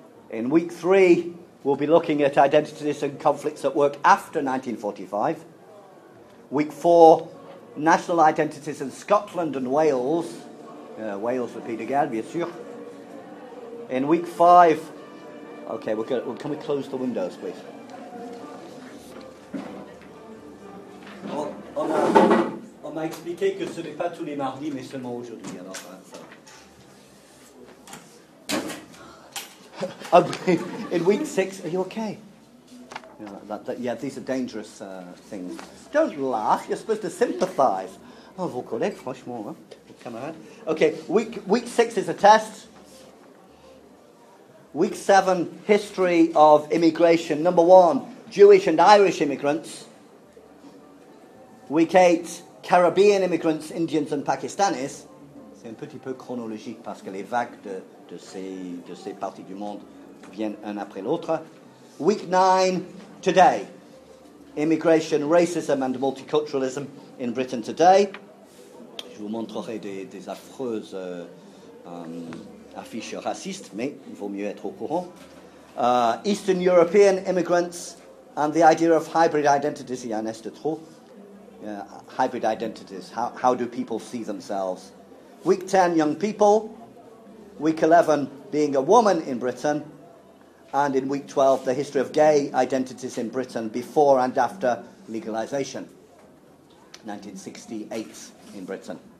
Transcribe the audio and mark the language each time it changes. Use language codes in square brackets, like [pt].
[en] In week three, we'll be looking at identities and conflicts at work after 1945. Week four, national identities in Scotland and Wales. Wales, repeat again, [fr] bien sûr. [en] In week five, okay, can we close the windows, please? [fr] On m'a expliqué que ce n'est pas tous les mardis, mais seulement aujourd'hui. Alors, [en] in week six, are you okay? These are dangerous things. Don't laugh, you're supposed to sympathise. Oh, [fr] vos collègues, franchement, hein? Camarade. [en] Okay, week six is a test. Week seven, history of immigration. Number one, Jewish and Irish immigrants. Week eight, Caribbean immigrants, Indians and Pakistanis. [fr] C'est un petit peu chronologique parce que les vagues de ces parties du monde viennent un après l'autre. [en] Week nine, today. Immigration, racism and multiculturalism in Britain today. [fr] Je vous montrerai des affreuses affiches racistes, mais il vaut mieux être au courant. [en] Eastern European immigrants and the idea of hybrid identities. [fr] Il y en est trop. [en] Hybrid identities. How do people see themselves? Week 10, young people. Week 11, being a woman in Britain. And in week 12, the history of gay identities in Britain before and after legalisation, 1968 in Britain.